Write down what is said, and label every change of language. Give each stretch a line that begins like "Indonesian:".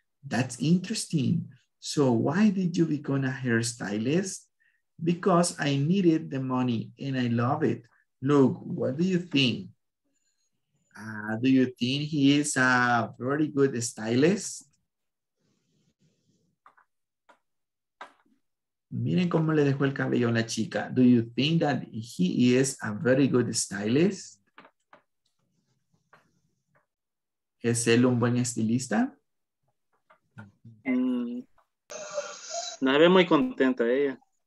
English: That's interesting. So why did you become a hairstylist? Because I needed the money and I love it. Look, what do you think? Do you think he is a very good stylist?
Spanish: Miren cómo le dejó el cabello a la chica.
English: Do you think that he is a very good stylist?
Spanish: ¿Es él un buen estilista? La ve muy contenta ella.